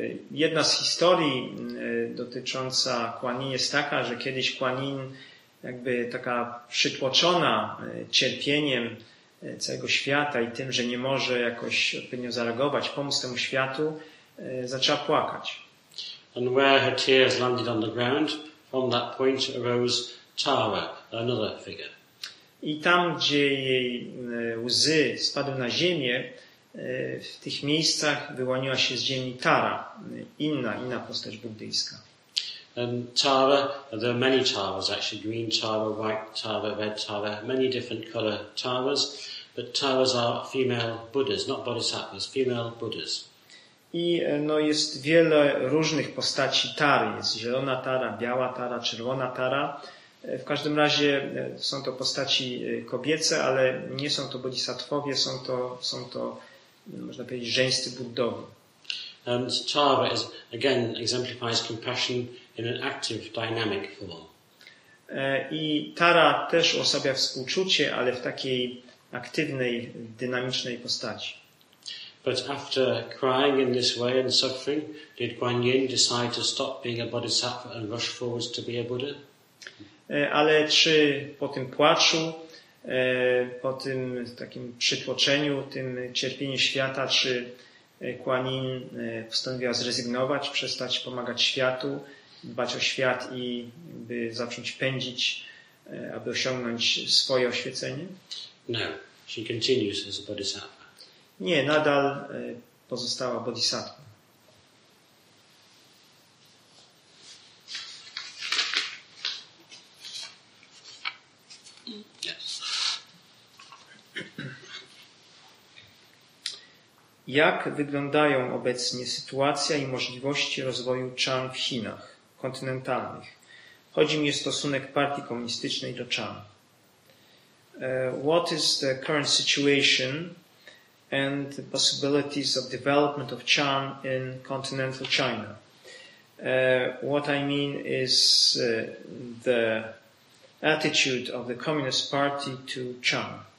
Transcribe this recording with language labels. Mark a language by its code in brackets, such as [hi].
[pl] Jedna z historii dotycząca Guan Yin jest taka, że kiedyś Guan Yin jakby taka przytłoczona cierpieniem całego świata i tym, że nie może jakoś odpowiednio zareagować, pomóc temu światu, zaczęła płakać. [en] And where her tears landed on the ground, from that point arose Tara, another figure. [pl] I tam, gdzie jej łzy spadły na ziemię, w tych miejscach wyłoniła się z ziemi Tara, inna postać buddyjska. [en] Tara, there are many Taras actually, green Tara, white Tara, red Tara, many different color Taras, but Taras are female Buddhas, not Bodhisattvas, female Buddhas. [pl] I no, jest wiele różnych postaci Tary, jest zielona Tara, biała Tara, czerwona Tara. W każdym razie są to postaci kobiece, ale nie są to bodhisattwowie, są to można powiedzieć żeńscy buddowie. [en] And Tara is again exemplifies compassion in an active dynamic form. [pl] I Tara też uosabia współczucie, ale w takiej aktywnej, dynamicznej postaci. [en] But after crying in this way and suffering, did Guan Yin decide to stop being a bodhisattva and rush forward to be a Buddha? [pl] Ale czy po tym płaczu, po tym takim przytłoczeniu, tym cierpieniu świata, czy Guan Yin postanowiła zrezygnować, przestać pomagać światu, dbać o świat i by zacząć pędzić, aby osiągnąć swoje oświecenie? [en] No, she continues as a bodhisattva. [pl] Nie, nadal pozostała bodhisattva. Jak wyglądają obecnie sytuacja i możliwości rozwoju Chan w Chinach kontynentalnych? Chodzi mi o stosunek partii komunistycznej do Chan. [en] What is the current situation and the possibilities of development of Chan in continental China? What I mean is the attitude of the Communist Party to Chan.